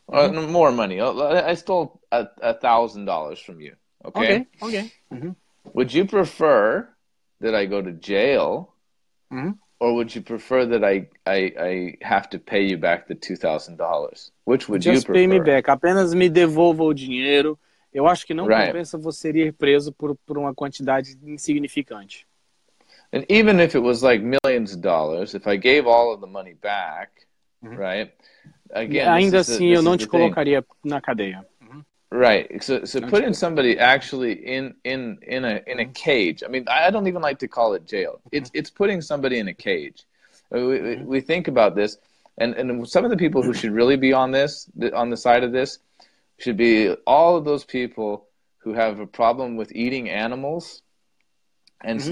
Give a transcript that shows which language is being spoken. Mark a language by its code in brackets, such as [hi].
[en] More money. I stole $1,000 from you, okay? Okay. Mm-hmm. Would you prefer that I go to jail, or would you prefer that I have to pay you back the $2,000? Which would just you prefer? Just pay me back. [pt] Apenas me devolva o dinheiro. Eu acho que não compensa você ir preso por uma quantidade insignificante. [en] And even if it was like millions of dollars, if I gave all of the money back, right? Again, [pt] ainda assim, eu não te colocaria na cadeia. [en] Right. So putting somebody actually in a cage. I mean, I don't even like to call it jail. It's putting somebody in a cage. We think about this, and some of the people who should really be on this, on the side of this, should be all of those people who have a problem with eating animals, and mm-hmm.